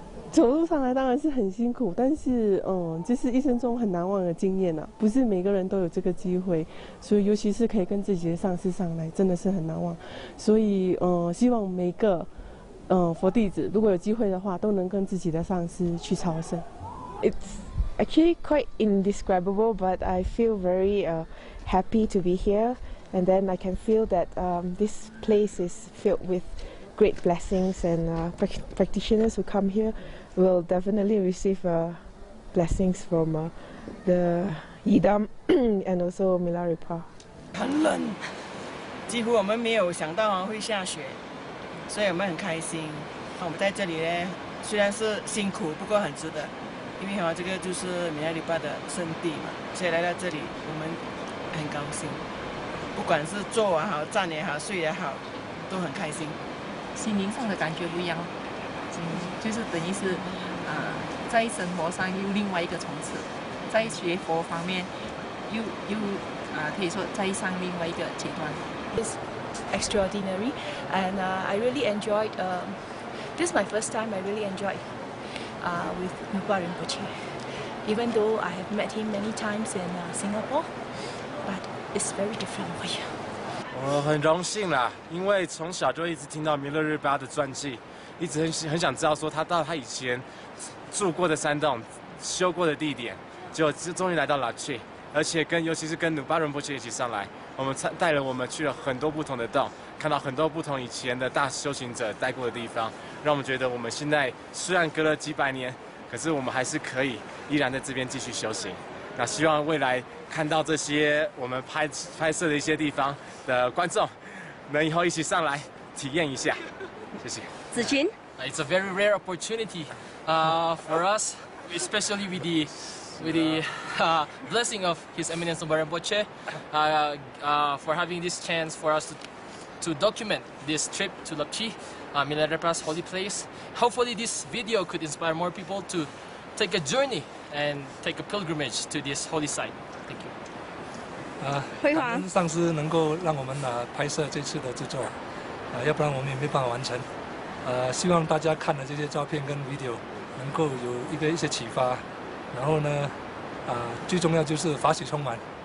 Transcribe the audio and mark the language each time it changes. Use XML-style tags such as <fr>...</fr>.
<zh>走路上来当然是很辛苦，但是这是一生中很难忘的经验啊，不是每个人都有这个机会，所以尤其是可以跟自己的上师上来，真的是很难忘。所以希望每个佛弟子如果有机会的话，都能跟自己的上师去朝圣。</zh> <en>It's actually quite indescribable, but I feel very happy to be here, and then I can feel that this place is filled withGreat blessings, and practitioners who come here will definitely receive blessings from the Yidam and also Mila Ripa.</en> <zh>很冷，几乎我们没有想到会下雪，所以我们很开心。我们在这里呢，虽然是辛苦，不过很值得，因为这个就是米拉里巴的圣地嘛，所以来到这里我们很高兴。不管是坐也好，站也好，睡也好，都很开心。心灵上的感觉不一样，就是等于是在生活上又另外一个层次，在学佛方面又可以说再上另外一个阶段。</zh> <en>It's extraordinary, and I really enjoyed, this is my first time, I really enjoyed with Nyingpa Rinpoche. Even though I have met him many times in Singapore, but it's very different for you.</en> <zh>我很荣幸啦，因为从小就一直听到弥勒日巴的传记，一直很想知道说他以前住过的山洞、修过的地点，就终于来到拉契，而且尤其是跟努巴仁波切一起上来，我们带了我们去了很多不同的洞，看到很多不同以前的大修行者待过的地方，让我们觉得我们现在虽然隔了几百年，可是我们还是可以依然在这边继续修行。那希望未来看到这些我们拍摄的一些地方的观众，能以后一起上来体验一下，谢谢。子群</zh> <en>，It's a very rare opportunity, for us, especially with the blessing of His Eminence Noble Rinpoche, for having this chance for us to document this trip to Lapchi, Mila Rinpoche's holy place. Hopefully, this video could inspire more people to take a journey. And take a pilgrimage to this holy site. Thank you.</en> <zh>辉煌，感恩上师能够让我们拍摄这次的制作，要不然我们也没办法完成。希望大家看了这些照片跟 video， 能够有一些启发。然后呢，最重要就是法喜充满。</zh>